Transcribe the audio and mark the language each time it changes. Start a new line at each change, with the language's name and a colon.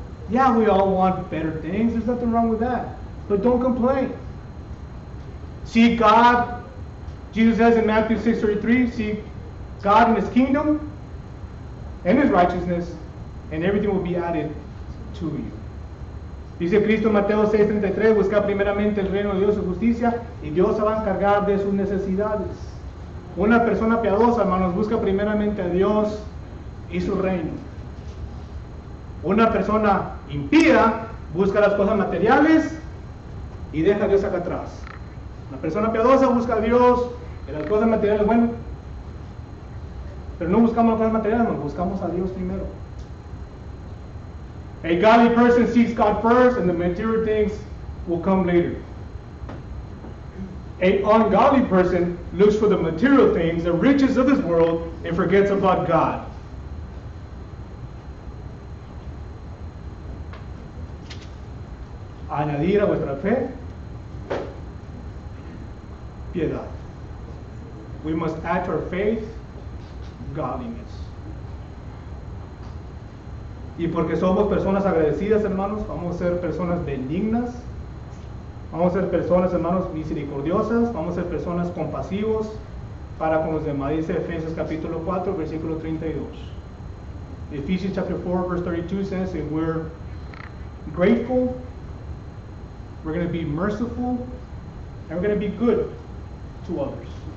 English: Yeah, we all want better things. There's nothing wrong with that. But don't complain. See God. Jesus says in Matthew 6:33, see God in his kingdom and his righteousness, and everything will be added to you.
Spanish: Dice Cristo en Mateo 6:33, busca primeramente el reino de Dios y justicia, y Dios se va a encargar de sus necesidades. Una persona piadosa, hermanos, busca primeramente a Dios y su reino. Una persona impía busca las cosas materiales y deja a Dios acá atrás. Una persona piadosa busca a Dios y las cosas materiales, bueno, pero no buscamos las cosas materiales, nos buscamos a Dios primero.
English: A godly person seeks God first, and the material things will come later. A ungodly person looks for the material things, the riches of this world, and forgets about God.
Spanish: Añadir a vuestra fe, piedad.
English: We must add to our faith, godliness.
Spanish: Y porque somos personas agradecidas, hermanos, vamos a ser personas benignas, vamos a ser personas, hermanos, misericordiosas, vamos a ser personas compasivos para con los demás. Dice Efesios capítulo 4, versículo 32.
English: Ephesians chapter 4, verse 32 says, if we're grateful, we're going to be merciful, and we're going to be good to others.